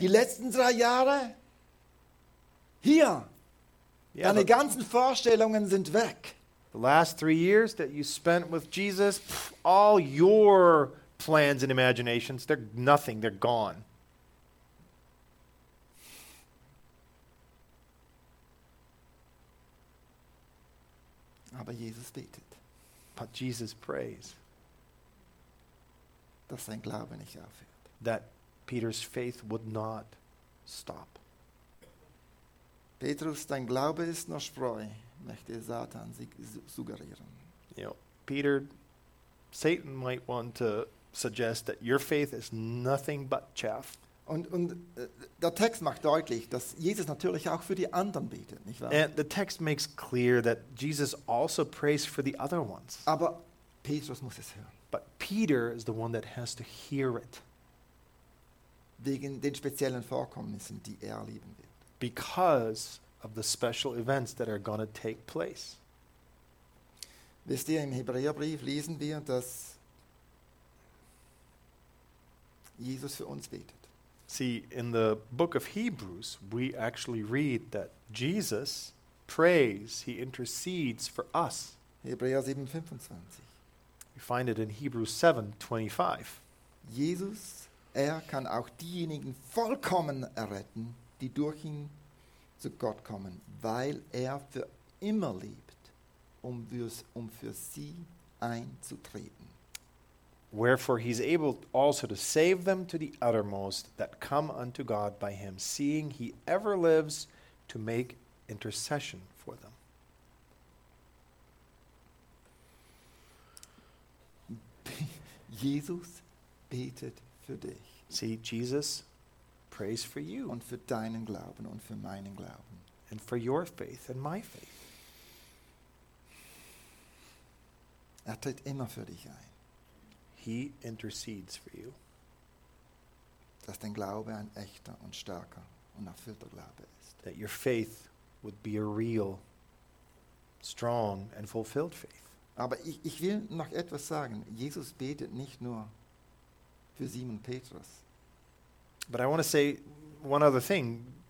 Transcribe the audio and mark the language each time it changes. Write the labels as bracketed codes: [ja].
[de] Die letzten drei Jahre hier, yeah, deine ganzen Vorstellungen sind weg. [en] The last 3 years that you spent with Jesus, all your plans and imaginations, they're nothing, they're gone. [de] Aber Jesus betet. [en] But Jesus prays. [de] Dass sein Glaube nicht aufhört. [en] That Peter's faith would not stop. [de] Petrus, dein Glaube ist nur Spreu, möchte Satan suggerieren. [en] You know, Peter, Satan might want to suggest that your faith is nothing but chaff. [de] Und der Text macht deutlich, dass Jesus natürlich auch für die anderen betet, nicht wahr? [en] And the text makes clear that Jesus also prays for the other ones. [de] Aber Petrus muss es hören. [en] But Peter is the one that has to hear it. [de] Wegen den speziellen Vorkommnissen, die er erleben wird. [en] Because of the special events that are going to take place. [de] Wisst ihr, im Hebräerbrief lesen wir, dass Jesus für uns betet. [en] See, in the book of Hebrews, we actually read that Jesus prays, he intercedes for us. [de] Hebräer 7:25. [en] We find it in Hebrews 7:25. [de] Jesus, er kann auch diejenigen vollkommen erretten, die durch ihn zu Gott kommen, weil er für immer lebt, um für sie einzutreten. [en] Wherefore he is able also to save them to the uttermost that come unto God by him, seeing he ever lives to make intercession for them. [de] Jesus betet für dich. [en] See, Jesus prays for you. [de] Und für deinen Glauben und für meinen Glauben. [en] And for your faith and my faith. [de] Er tritt immer für dich ein. [en] He intercedes for you. [de] Dass dein Glaube ein echter und starker und erfüllter Glaube ist. [en] That your faith would be a real, strong and fulfilled faith. [de] Aber ich will noch etwas sagen. Jesus betet nicht nur für Simon Petrus. [en] But I want to say one other thing.